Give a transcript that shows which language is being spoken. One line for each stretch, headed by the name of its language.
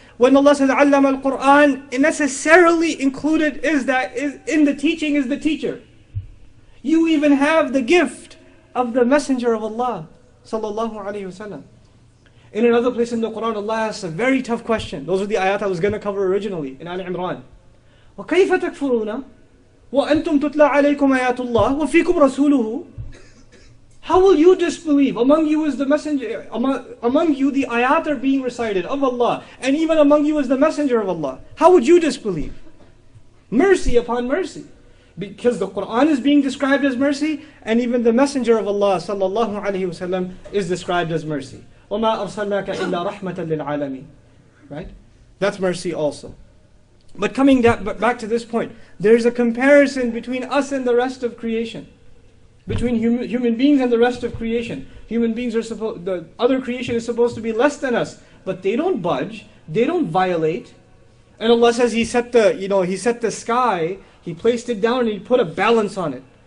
English: When Allah says, "Allama al-Qur'an," it necessarily included is that in the teaching is the teacher. You even have the gift of the Messenger of Allah sallallahu alayhi wasallam. In another place in the Qur'an, Allah asks a very tough question. Those are the ayat I was going to cover originally in Ali Imran.
Arabic: وَكَيْفَ تَكْفُرُونَ وَأَنْتُمْ تُتْلَى عَلَيْكُمْ آيَاتُ اللَّهِ وَفِيكُمْ رَسُولُهُ
English: How will you disbelieve? Among you is the messenger, among you the ayat are being recited of Allah, and even among you is the messenger of Allah. How would you disbelieve? Mercy upon mercy. Because the Qur'an is being described as mercy, and even the messenger of Allah sallallahu alayhi wasallam is described as mercy.
Arabic: وَمَا أَرْسَلْنَاكَ إِلَّا رَحْمَةً لِلْعَالَمِينَ Right?
English: That's mercy also. But coming back to this point, there's a comparison between us and the rest of creation. Between human beings and the rest of creation. Human beings are supposed, the other creation is supposed to be less than us. But they don't budge, they don't violate. And Allah says He set the sky, He placed it down and He put a balance on it.